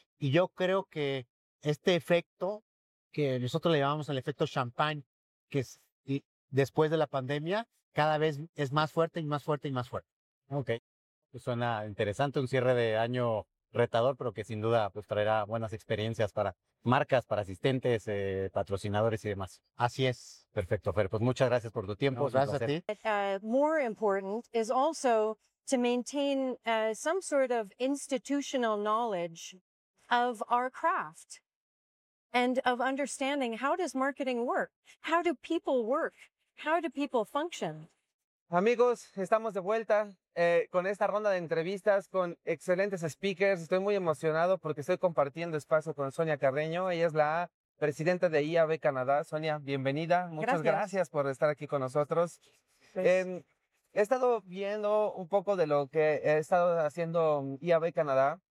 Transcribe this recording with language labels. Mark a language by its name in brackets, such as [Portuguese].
[Spanish] Y yo creo que este efecto, que nosotros le llamamos el efecto champagne, que es después de la pandemia, cada vez es más fuerte y más fuerte y más fuerte. Ok. Suena interesante, un cierre de año retador, pero que sin duda pues traerá buenas experiencias para marcas, para asistentes, patrocinadores y demás. Así es. Perfecto, Fer. Pues muchas gracias por tu tiempo. No, gracias a ti. [English] More important is also to maintain some sort of institutional knowledge of our craft and of understanding how does marketing work? How do people work? How do people function? [Spanish] Amigos, estamos de vuelta con esta ronda de entrevistas con excelentes speakers. Estoy muy emocionado porque estoy compartiendo espacio con Sonia Carreño. Ella es la presidenta de IAB Canadá. Sonia, bienvenida. Muchas gracias por estar aquí con nosotros. He estado viendo un poco de lo que ha estado haciendo IAB Canadá.